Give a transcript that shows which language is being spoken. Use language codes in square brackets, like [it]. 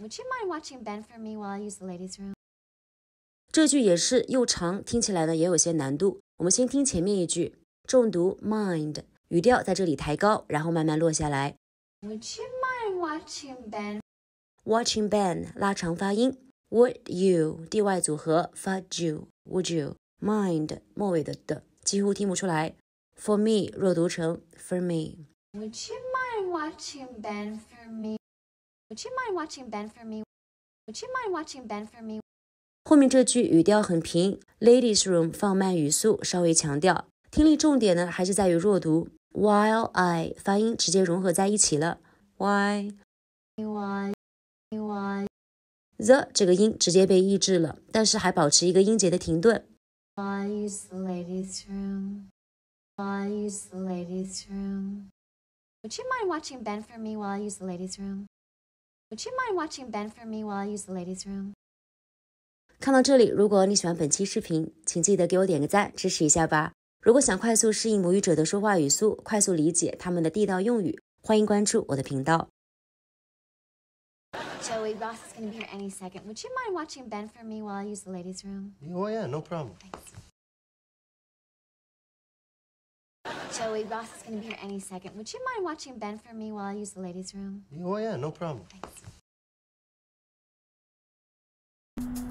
[en] Would you mind watching Ben for me while I use the ladies' room? [zh] 这句也是又长，听起来呢也有些难度。我们先听前面一句，重读 mind, 语调在这里抬高，然后慢慢落下来。 [en] Would you mind watching Ben? [zh] Watching Ben, 拉长发音。 [en] Would you, [zh] dy 组合发 you, would you, mind, 末尾的 d, 几乎听不出来。 [en] For me, [zh] 若读成 [en] for me. Would you mind watching Ben for me? Would you mind watching Ben for me? Would you mind watching Ben for me? [zh] 后面这句语调很平 ,Ladies room 放慢语速稍微强调。听力重点呢还是在于若读 , [en] while I, [zh] 发音直接融合在一起了。 Why?The 这个音直接被抑制了，但是还保持一个音节的停顿。 [en] Why is the ladies room? While I use the ladies' room. Would you mind watching Ben for me while I use the ladies' room? Would you mind watching Ben for me while I use the ladies' room? [zh] 看到这里，如果你喜欢本期视频，请记得给我点个赞，支持一下吧。如果想快速适应母语者的说话语速，快速理解他们的地道用语，欢迎关注我的频道。 [en] Joey, Ross is going to be here any second. Would you mind watching Ben for me while I use the ladies' room? Oh, yeah, no problem. Thanks. Joey, Ross is going to be here any second. Would you mind watching Ben for me while I use the ladies' room? Oh, yeah, no problem. Thanks.